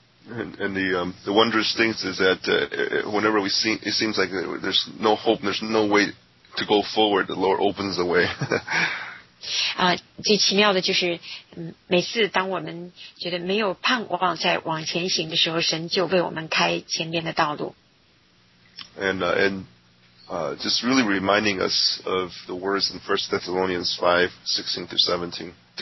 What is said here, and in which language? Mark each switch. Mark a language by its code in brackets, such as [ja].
[en] And the wondrous things is that whenever we see, it seems like there's no hope, there's no way to go forward, the Lord opens the way. [zh] 最奇妙的就是每次当我们觉得没有盼望再往前行的时候，神就为我们开前面的道路。And [en] just really reminding us of the words in 1 Thessalonians 5:16-17.